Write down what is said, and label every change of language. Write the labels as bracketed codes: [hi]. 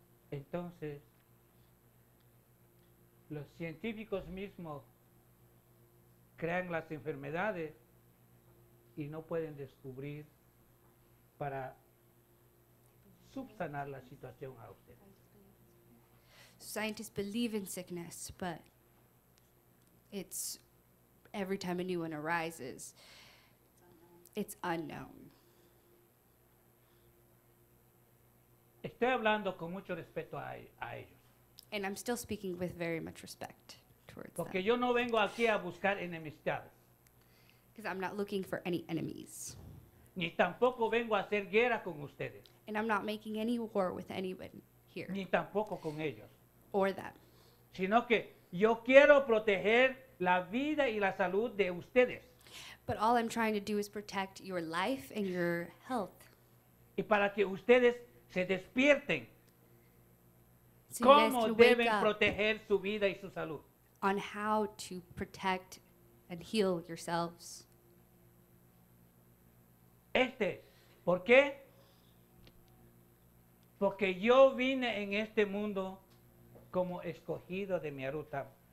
[es] Entonces, los científicos mismos crean las enfermedades y no pueden descubrir para subsanar la situación a usted. [en] Scientists believe in sickness, but it's every time a new one arises, it's unknown. [es] Estoy hablando con mucho respeto a ellos. [en] And I'm still speaking with very much respect towards [es] porque [en] them. [es] Yo no vengo aquí a buscar enemistades. [en] Because I'm not looking for any enemies. [es] Ni tampoco vengo a hacer guerra con ustedes. [en] And I'm not making any war with anyone here. [es] Ni tampoco con ellos. [en] Or them. [es] Sino que yo quiero proteger la vida y la salud de ustedes. [en] But all I'm trying to do is protect your life and your health. [es] Y para que ustedes se despierten. ¿Cómo deben proteger su vida y su salud? [en] On how to protect and heal yourselves. [es] Este, ¿por qué? Porque yo vine en este mundo como escogido de mi Arutam.